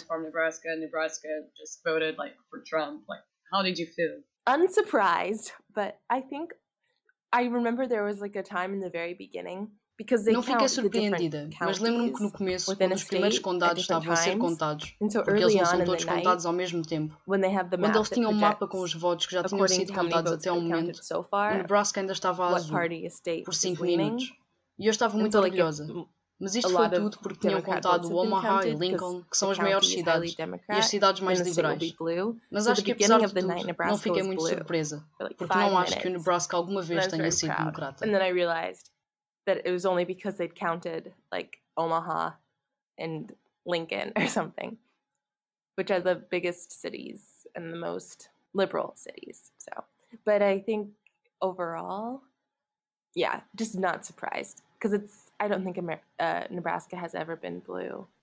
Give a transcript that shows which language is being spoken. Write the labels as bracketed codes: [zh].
[en] I'm from Nebraska and Nebraska just voted like for Trump. Like, how did you feel? Unsurprised, but I think I remember there was like a time in the very beginning. Because they [pt] não fiquei surpreendida, mas lembro-me que no começo, quando os primeiros condados estavam a ser contados, porque eles não são todos contados ao mesmo tempo, quando eles tinham um mapa com os votos que já tinham sido contados até ao momento, o Nebraska ainda estava azul por 5 minutos. E eu estava muito orgulhosa. Mas isto foi tudo porque tinham contado Omaha e Lincoln, que são as maiores cidades, e as cidades mais liberais. Mas acho que apesar de tudo, não fiquei muito surpresa, porque não acho que o Nebraska alguma vez tenha sido democrata. [en] That it was only because they'd counted like Omaha and Lincoln or something, which are the biggest cities and the most liberal cities. So, but I think overall, yeah, just not surprised because it's, I don't think Nebraska has ever been blue.